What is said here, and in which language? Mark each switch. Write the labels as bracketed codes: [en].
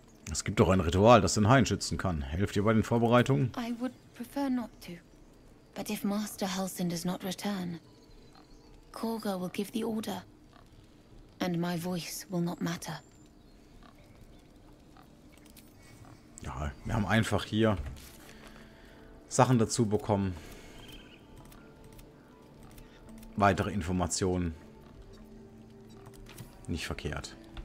[de] Es gibt doch ein Ritual, das den Hain schützen kann. Helft ihr bei den Vorbereitungen? [en] I would prefer not to. But if Master Hulsin does not return, Korga will give the order, and my voice will not matter. [de] Ja, wir haben einfach hier Sachen dazu bekommen. Weitere Informationen. Nicht verkehrt.